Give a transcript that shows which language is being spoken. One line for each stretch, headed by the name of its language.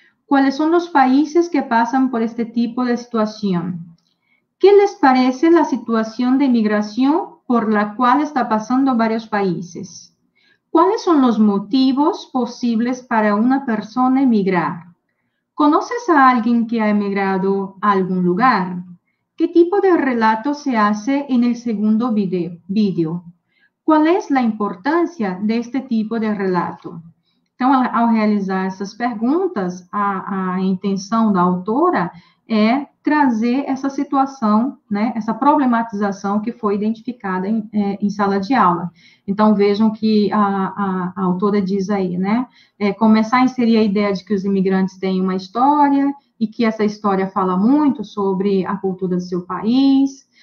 Portuguese: Quais são os países que passam por este tipo de situação?
Spanish: Que les parece
Portuguese: a situação de imigração
Spanish: por la
Portuguese: qual está passando vários países? Quais são os motivos possíveis para uma pessoa emigrar?
Spanish: ¿Conoces a alguien que ha emigrado a algún lugar? ¿Qué tipo de relato se hace en el segundo vídeo? ¿Cuál es la importancia de este tipo de relato?
Portuguese: Então, ao realizar essas perguntas, a intenção da autora é trazer essa situação, né, essa problematização que foi identificada em sala de aula. Então, vejam que a autora diz aí, né, começar a inserir a ideia de que os imigrantes têm uma história e que essa história fala muito sobre a cultura do seu país.